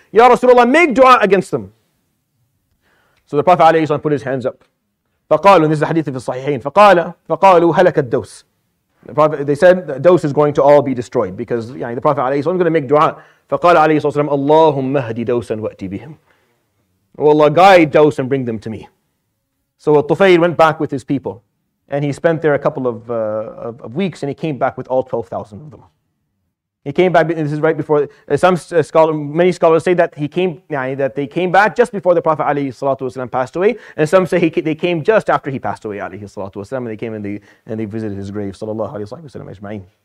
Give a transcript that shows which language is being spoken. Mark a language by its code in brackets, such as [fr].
[ar] يا رسول الله, [en] make dua against them. So the Prophet [ar] عليه الصلاة والسلام [en] put his hands up. [ar] فقالوا, [en] this is a hadith of the Sahihain. [ar] فقالوا هلك الدوس. [en] The Prophet, they said Dawus is going to all be destroyed because the Prophet [ar] عليه الصلاة والسلام [en] is going to make dua. [ar] فقال عليه الصلاة والسلام اللهم اهدي دوسا وأتي بهم. [en] Oh Allah, guide Dawus and bring them to me. So Tufayl went back with his people And he spent there a couple of weeks, and he came back with all 12,000 of them. He came back, this is right before, many scholars say that they came back just before the Prophet alayhi salatu wasalam passed away, and some say they came just after he passed away alayhi salatu wasalam, and they came and they visited his grave, sallallahu alayhi wasalam ajma'in.